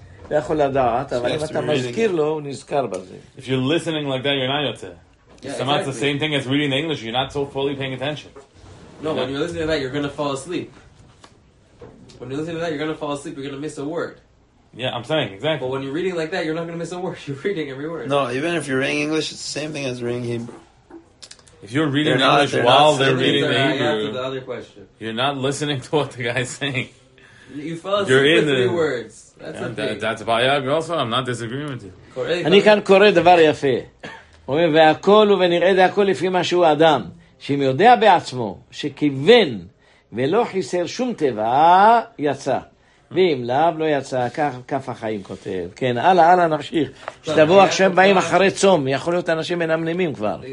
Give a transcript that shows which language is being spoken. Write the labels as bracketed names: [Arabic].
[Hebrew] לא יכול לדעת, אבל אם אתה מזכיר לו, הוא נזכר בזה. [English] If you're listening like that, you're not yet. If it's the same thing as reading English, you're not so fully paying attention. No, when you're listening to that, you're going to fall asleep. You're going to miss a word. Yeah, I'm saying, exactly. But when you're reading like that, you're not going to miss a word. You're reading every word. No, even if you're reading English, it's the same thing as reading Hebrew. If you're reading English while they're reading the Hebrew, the other question. You're not listening to what the guy's saying. You fell asleep you're in with three words. That's a thing. That's why also, I'm not disagreeing with you. [Hebrew] אני כאן קורא דבר יפה. הוא אומר, והכל הוא ונראה את הכל לפי מה שהוא אדם. שאם יודע בעצמו שכיוון ולא חיסר שום טבע, יצא. ואם לאב לא יצא, כף החיים כותב. כן, הלאה, הלאה, נמשיך. שתבוא עכשיו באים אחרי צום, יכול להיות אנשים מנמנמים כבר.